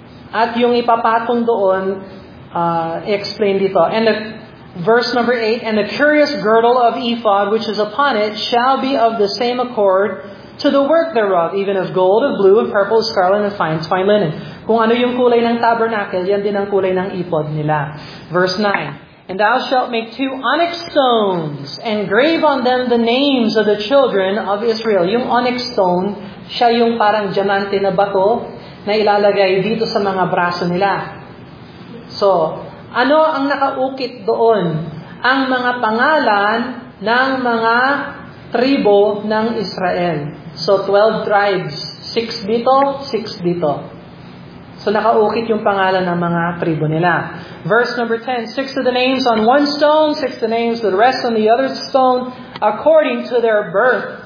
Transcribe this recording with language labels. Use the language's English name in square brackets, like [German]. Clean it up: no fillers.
[Filipino] At yung ipapatong doon, explain dito. [English] And the verse number 8, and the curious girdle of ephod which is upon it shall be of the same accord to the work thereof, even of gold, of blue, of purple, of scarlet, and fine, fine linen. [Filipino] Kung ano yung kulay ng tabernacle, yan din ang kulay ng ephod nila. [English] Verse 9, and thou shalt make two onyx stones, and grave on them the names of the children of Israel. [Filipino] Yung onyx stone, siya yung parang diamante na bato na ilalagay dito sa mga braso nila. So, ano ang nakaukit doon? Ang mga pangalan ng mga tribo ng Israel. [English] So, 12 tribes. 6 dito, 6 dito. [Filipino] So, nakaukit yung pangalan ng mga tribo nila. [English] Verse number 10, 6 of the names on one stone, 6 of the names the rest on the other stone, according to their birth.